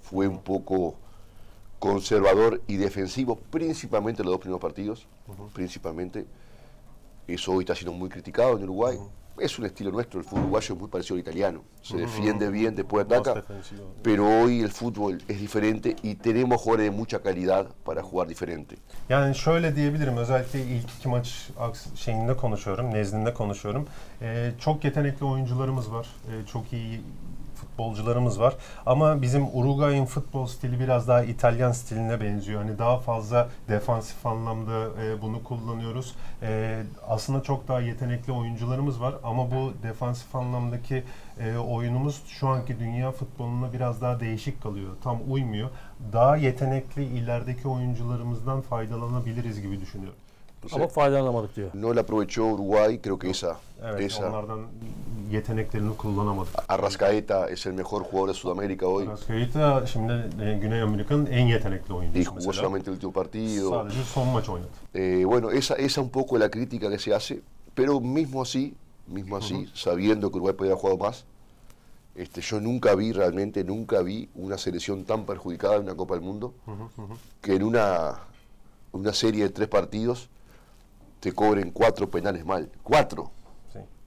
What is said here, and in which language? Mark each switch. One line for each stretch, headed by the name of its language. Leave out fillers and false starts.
Spanish: Fue un poco conservador y defensivo, principalmente en los dos primeros partidos. Principalmente. Eso hoy está siendo muy criticado en Uruguay. es un estilo nuestro, el fútbol uruguayo es muy parecido al italiano. Se defiende bien, después ataca. Pero hoy el fútbol es diferente y tenemos jugadores de mucha calidad para jugar diferente.
Turkish: Yani şöyle diyebilirim, özellikle ilk iki maç şeyinde konuşuyorum, nezdinde konuşuyorum. Çok yetenekli oyuncularımız var, çok iyi futbolcularımız var. Ama bizim Uruguay'ın futbol stili biraz daha İtalyan stiline benziyor. Hani daha fazla defansif anlamda bunu kullanıyoruz. Aslında çok daha yetenekli oyuncularımız var. Ama bu defansif anlamdaki oyunumuz şu anki dünya futboluna biraz daha değişik kalıyor. Tam uymuyor. Daha yetenekli ilerideki oyuncularımızdan faydalanabiliriz gibi düşünüyorum. Ama faydalanamadık diyor.
Spanish: No la aprovechó Uruguay, creo que esa.
Turkish: Evet,
Spanish: esa.
Turkish: Onlardan yeteneklerini kullanamadık.
Spanish: Arrascaeta es el mejor jugador de Sudamérica hoy.
Turkish: Arrascaeta şimdi Güney Amerika'nın en yetenekli oyuncusu mesela.
Spanish: Justamente el último partido.
Turkish: Sadece son maç oynadı.
Spanish: Bueno, esa un poco la crítica que se hace, pero mismo así, sabiendo que Uruguay podía jugar más, yo nunca vi una selección tan perjudicada en una Copa del Mundo que en una serie de tres partidos te cobren cuatro penales mal. ¡Cuatro! Sí.